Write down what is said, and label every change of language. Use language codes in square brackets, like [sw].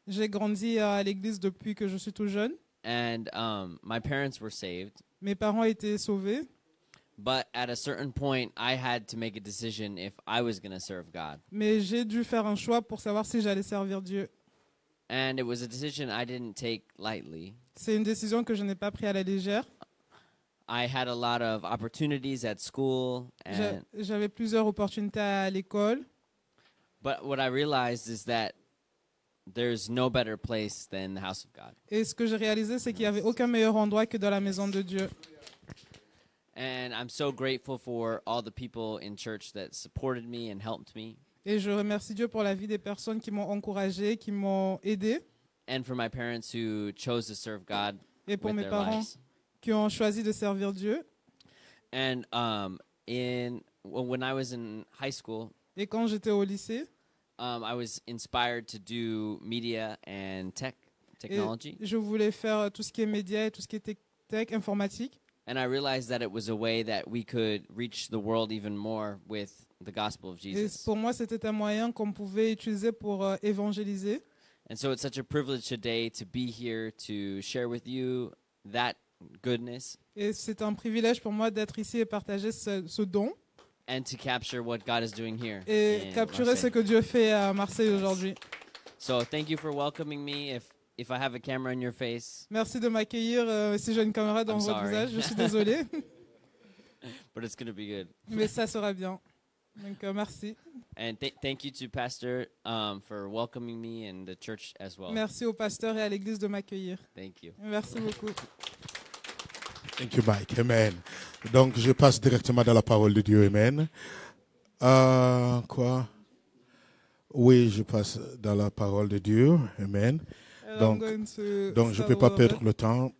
[fr] J'ai grandi à l'église depuis que je suis tout jeune. [en] And my parents were saved. [fr] Mes parents étaient sauvés. [en] But at a certain point, I had to make a decision if I was going to serve God. [fr] Mais j'ai dû faire un choix pour savoir si j'allais servir Dieu. [en] And it was a decision I didn't take lightly. [fr] C'est une décision que je n'ai pas prise à la légère. [en] I had a lot of opportunities at school. And [fr] j'avais plusieurs opportunités à l'école. [en] But what I realized is that there's no better place than the house of God. [fr] Et ce que j'ai réalisé, c'est qu'il n'y avait aucun meilleur endroit que dans la maison de Dieu. [en] And I'm so grateful for all the people in church that supported me and helped me. [fr] Et je remercie Dieu pour la vie des personnes qui m'ont encouragé, qui m'ont aidé. [en] And for my parents who chose to serve God with their lives. [fr] Et pour mes parents qui ont choisi de servir Dieu. [en] And when I was in high school. [fr] Et quand j'étais au lycée. [en] I was inspired to do media and technology. [fr] Et je voulais faire tout ce qui est média et tout ce qui est tech informatique. [en] And I realized that it was a way that we could reach the world even more with the gospel of Jesus. [fr] Et pour moi, c'était un moyen qu'on pouvait utiliser pour évangéliser. [en] And so it's such a privilege today to be here to share with you that goodness. [fr] Et c'est un privilège pour moi d'être ici et partager ce don. [en] And to capture what God is doing here. [fr] Et capturer Marseille. Ce que Dieu fait à Marseille aujourd'hui. [en] So thank you for welcoming me. If I have a camera in your face. [fr] Merci de m'accueillir si j'ai une caméra dans [en] I'm [fr] votre [en] sorry. [fr] Visage. Je suis désolé. [en] But it's going to be good. [fr] Mais ça sera bien. Donc merci. [en] And thank you to pastor for welcoming me and the church as well. [fr] Merci au pasteur et à l'église de m'accueillir. [en] Thank you. [fr] Merci beaucoup. [en] Thank you Mike. Amen. [fr] Donc je passe directement dans la parole de Dieu. Amen. Quoi? Oui, je passe dans la parole de Dieu. Amen. Donc je ne peux pas perdre le temps.